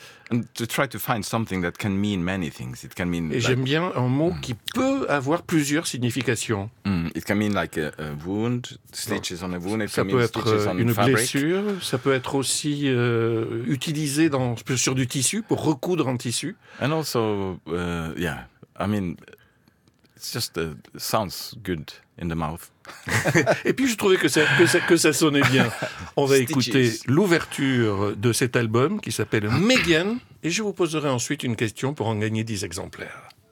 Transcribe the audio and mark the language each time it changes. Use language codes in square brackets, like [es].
[en] And to try to find something that can mean many things. It can mean. [fr] Et like, j'aime bien un mot qui peut avoir plusieurs significations. [en] It can mean like a wound, stitches on a wound. It [fr] ça peut être une [en] fabric. [fr] Blessure. Ça peut être aussi utilisé sur du tissu pour recoudre un tissu. [en] And also, I mean, it's just sounds good in the mouth. [fr] Et puis je trouvais que ça sonnait bien. On va écouter l'ouverture de cet album qui s'appelle Megan, et je vous poserai ensuite une question pour en gagner 10 exemplaires.